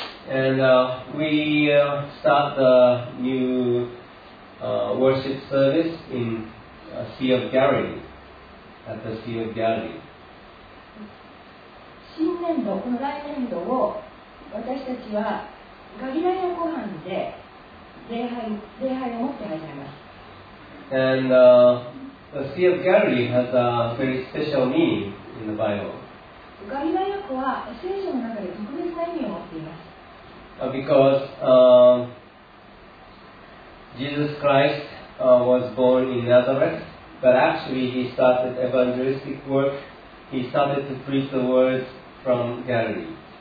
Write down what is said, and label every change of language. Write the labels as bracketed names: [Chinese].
[English] And we start the new worship service in Sea of Galilee, at the Sea of Galilee. [Japanese] 新年度、この来年度を私たちはガリラヤ湖畔で礼拝を持って始めます。 [English] And the Sea of Galilee has a very special meaning in the Bible. [Japanese] ガリラヤ湖は聖書の中で特別な意味を持っています。 [English] Because Jesus Christ was born in Nazareth, but actually he started evangelistic work. He started to preach the word from Galilee.